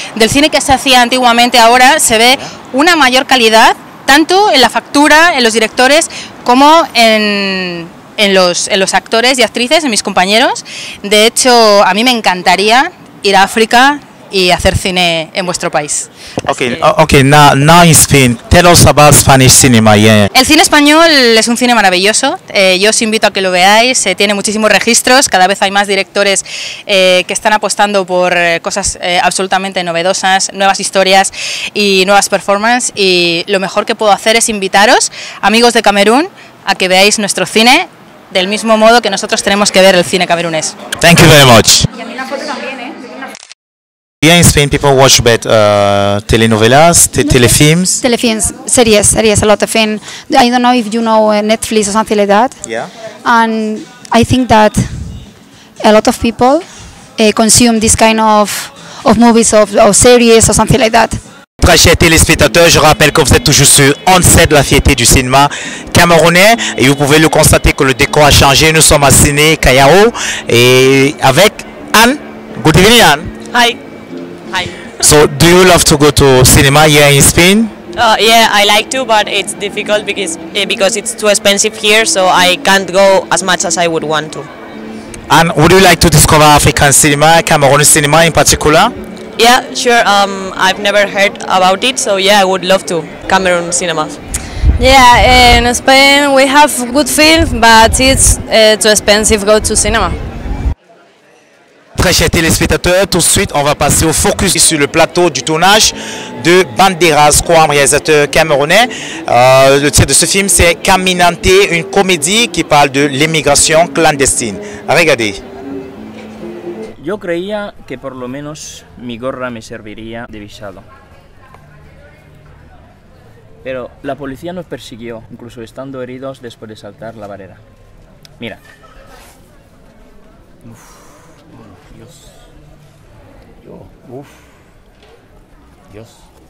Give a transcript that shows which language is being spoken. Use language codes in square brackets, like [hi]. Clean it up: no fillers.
[es] Del cine que se hacía antiguamente ahora se ve una mayor calidad, tanto en la factura, en los directores, como en los actores y actrices, en mis compañeros. De hecho, a mí me encantaría ir a África y hacer cine en vuestro país. [en] Okay, now in Spain, tell us about Spanish cinema. Yeah. [es] El cine español es un cine maravilloso. Yo os invito a que lo veáis. Tiene muchísimos registros. Cada vez hay más directores que están apostando por cosas absolutamente novedosas, nuevas historias y nuevas performances. Y lo mejor que puedo hacer es invitaros, amigos de Camerún, a que veáis nuestro cine del mismo modo que nosotros tenemos que ver el cine camerunés. [en] Thank you very much. Yeah, in Spain, people watch about telenovelas, telefilms. Telefilms, series, a lot of in. I don't know if you know Netflix or something like that. Yeah. And I think that a lot of people consume this kind of movies or series or something like that. [fr] Très chers téléspectateurs, je rappelle que vous êtes toujours sur On Set, la fierté du cinéma camerounais. Et vous pouvez le constater que le décor a changé. Nous sommes à Ciné Kayao et avec Anne. [en] Good evening, Anne. Hi. So, do you love to go to cinema here in Spain? Yeah, I like to, but it's difficult because it's too expensive here, so I can't go as much as I would want to. And would you like to discover African cinema, Cameroon cinema in particular? Yeah, sure. I've never heard about it, so yeah, I would love to. Cameroon cinema. Yeah, in Spain we have good films, but it's too expensive to go to cinema. [fr] Très chers téléspectateurs, tout de suite, on va passer au focus sur le plateau du tournage de Banderas, Kouam, réalisateur camerounais. Le titre de ce film, c'est Caminante, une comédie qui parle de l'immigration clandestine. Regardez. [es] Yo creía que por lo menos mi gorra me serviría de visado. Pero la policía nos persiguió, incluso estando heridos después de saltar la barrera. Mira. Uf. Dios. Yo, uf. Dios.